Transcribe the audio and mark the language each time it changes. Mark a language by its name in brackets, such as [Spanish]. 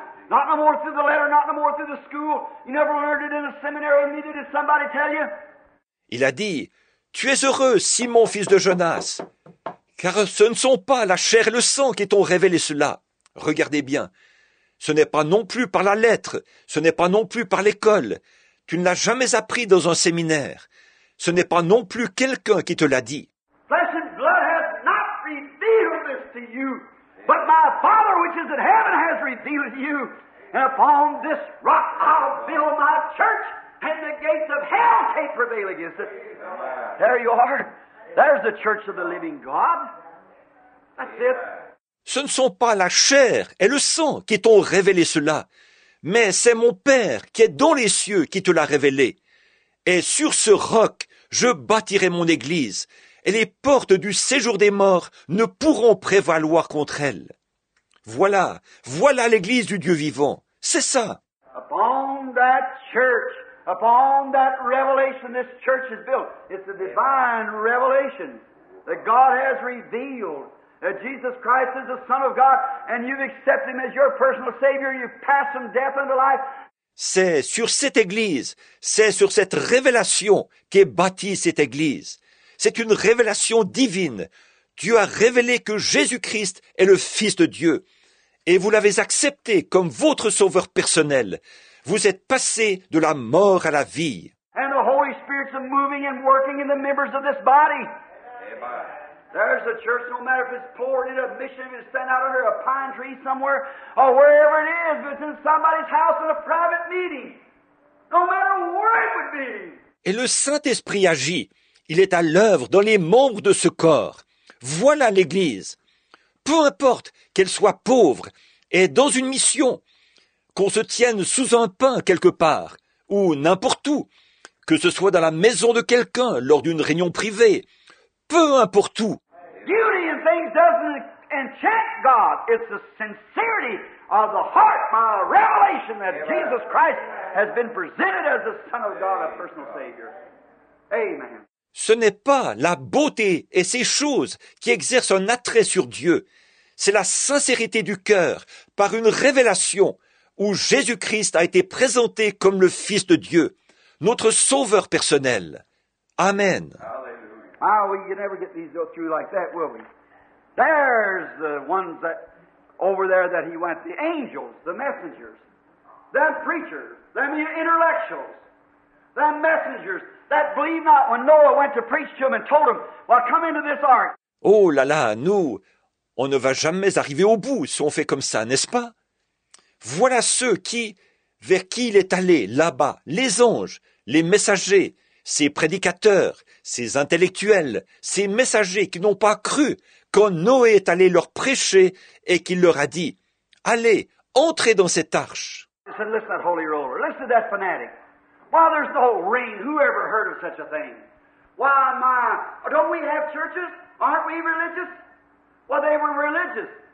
[English] Not no more through the letter, not no more through the school. You never learned it in a seminary, neither did somebody tell you. [French] Il a dit, tu es heureux, Simon, fils de Jonas, car ce ne sont pas la chair et le sang qui t'ont révélé cela. Regardez bien. Ce n'est pas non plus par la lettre, ce n'est pas non plus par l'école. Tu ne l'as jamais appris dans un séminaire. Ce n'est pas non plus quelqu'un qui te l'a dit. [English] Flesh and blood has not revealed this to you. But my Father which is in heaven has revealed you. And upon this rock I'll build my church, and the gates of hell can't prevail against it. There you are. There's the church of the living God. That's it. [French] Ce ne sont pas la chair et le sang qui t'ont révélé cela, mais c'est mon Père qui est dans les cieux qui te l'a révélé. Et sur ce roc, je bâtirai mon église. Et les portes du séjour des morts ne pourront prévaloir contre elle. Voilà, voilà l'Église du Dieu vivant. C'est ça. [English] Upon that church, upon that revelation this church is built. It's a divine revelation that God has revealed that Jesus Christ is the Son of God and you've accepted Him as your personal Savior and you've passed from death into life. [French] C'est sur cette Église, c'est sur cette révélation qu'est bâtie cette Église. C'est une révélation divine. Dieu a révélé que Jésus-Christ est le Fils de Dieu. Et vous l'avez accepté comme votre sauveur personnel. Vous êtes passé de la mort à la vie. [English] And the Holy Spirit's moving and working in the members of this body. Amen. There's a church, no matter if it's poured in a mission, if it's sent out under a pine tree somewhere, or wherever it is, if it's in somebody's house in a private meeting. No matter where it would be. [French] Et le Saint-Esprit agit. Il est à l'œuvre dans les membres de ce corps. Voilà l'Église. Peu importe qu'elle soit pauvre et dans une mission, qu'on se tienne sous un pain quelque part ou n'importe où, que ce soit dans la maison de quelqu'un lors d'une réunion privée, peu importe où. [English] Beauty in things doesn't enchant God. It's the sincerity of the heart by a revelation that Jesus Christ has been presented as the Son of God, a personal Savior. Amen. [French] Ce n'est pas la beauté et ces choses qui exercent un attrait sur Dieu. C'est la sincérité du cœur par une révélation où Jésus-Christ a été présenté comme le Fils de Dieu, notre Sauveur personnel. Amen. [English] Ah, we can never get these through like that, will we? There's the ones that over there that he went, the angels, the messengers, the preachers, the intellectuals, the messengers. That believe not when Noah went to preach to him and told him, well, come into this ark. [French] Oh là là, nous, on ne va jamais arriver au bout si on fait comme ça, n'est-ce pas? Voilà ceux qui, vers qui il est allé, là-bas, les anges, les messagers, ces prédicateurs, ces intellectuels, ces messagers qui n'ont pas cru quand Noé est allé leur prêcher et qu'il leur a dit, allez, entrez dans cette arche. [English] Listen, listen to that holy roller. Listen to that fanatic. Why, there's no rain. Who ever heard of such a thing? Why, my, don't we have churches? Aren't we religious? Well, they were religious.